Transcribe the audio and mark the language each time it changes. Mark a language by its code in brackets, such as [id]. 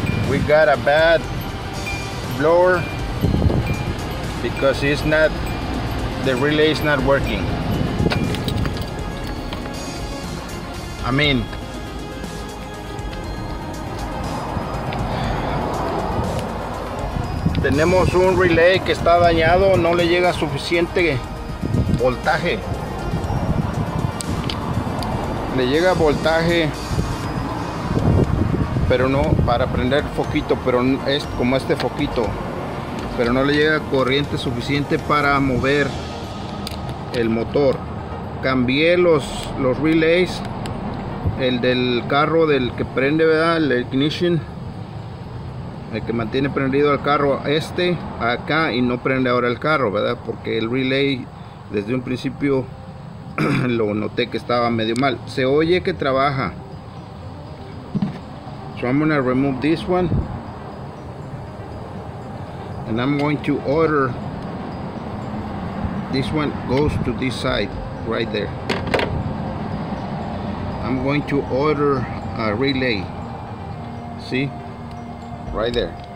[en] We got a bad blower because it's not, the relay is not working. I mean, [es] tenemos un relay que está dañado, no le llega suficiente voltaje. Le llega voltaje, pero no, para prender foquito, pero es como este foquito, pero no le llega corriente suficiente para mover el motor. Cambié los relays, el del carro, del que prende, ¿verdad?, el ignition, el que mantiene prendido el carro, este acá, y no prende ahora el carro, ¿verdad?, porque el relay desde un principio lo noté que estaba medio mal. Se oye que trabaja. [en] So I'm gonna remove this one and I'm going to order this one, goes to this side right there. I'm going to order a relay, see, right there.